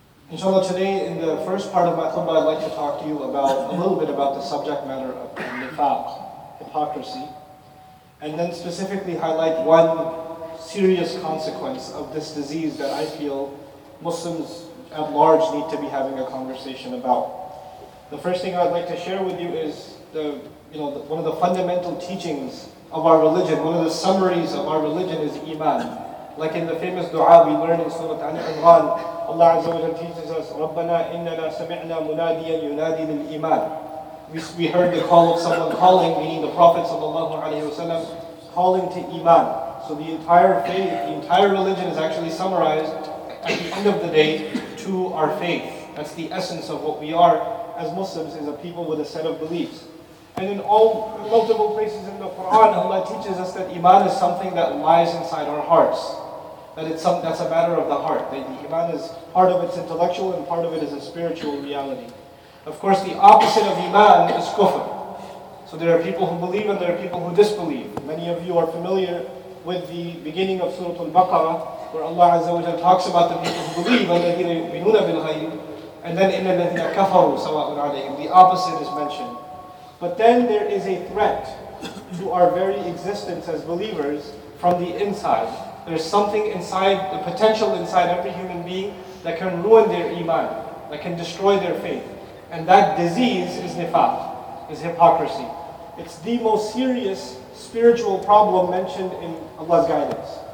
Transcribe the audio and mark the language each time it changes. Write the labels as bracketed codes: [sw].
[en] Inshallah, today in the first part of my khutbah I'd like to talk to you about a little bit about the subject matter of nifaq, hypocrisy, and then specifically highlight one serious consequence of this disease that I feel Muslims at large need to be having a conversation about. The first thing I'd like to share with you is one of the fundamental teachings of our religion, one of the summaries of our religion is Iman. Like in the famous dua we learn in Surah Al-Imran, Allah Azza wa Jalla teaches us, [ar] رَبَّنَا إِنَّنَا سَمِعْنَا مُنَادِيًا يُنَادِي لِلْإِيمَانِ. [en] We heard the call of someone calling, meaning the Prophet sallallahu alayhi wasallam, calling to Iman. So the entire faith, the entire religion is actually summarized at the end of the day to our faith. That's the essence of what we are as Muslims, is a people with a set of beliefs. And in all multiple places in the Quran, Allah teaches us that Iman is something that lies inside our hearts. That's a matter of the heart. That the Iman is part of its intellectual and part of it is a spiritual reality. Of course, the opposite of Iman is Kufr. So there are people who believe and there are people who disbelieve. Many of you are familiar with the beginning of Surah Al-Baqarah, where Allah Azza wa Jalla talks about the people who believe, [ar] وَالَّذِينَ يُؤْمِنُونَ بِالْغَيْبِ. [en] And then [ar] إِنَّ الَّذِينَ كَفَرُوا سَوَاءٌ عَلَيْهِمْ. [en] The opposite is mentioned. But then there is a threat to our very existence as believers from the inside. There's something inside, the potential inside every human being that can ruin their iman, that can destroy their faith. And that disease is nifaq, is hypocrisy. It's the most serious spiritual problem mentioned in Allah's guidance.